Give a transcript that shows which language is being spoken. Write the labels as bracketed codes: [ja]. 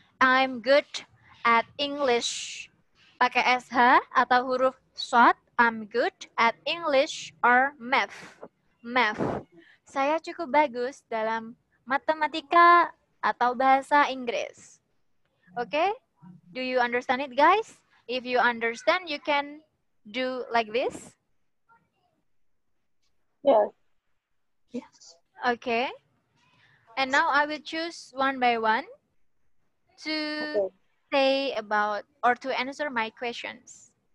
[en] I'm good at English, [id] pakai SH atau huruf short, [en] I'm good at English or math. [id] Math, saya cukup bagus dalam matematika atau bahasa Inggris. [en] Okay, do you understand it guys? If you understand, you can do like this. Yes. Okay, and now I will choose one by one to... Okay. Say about or to answer my questions.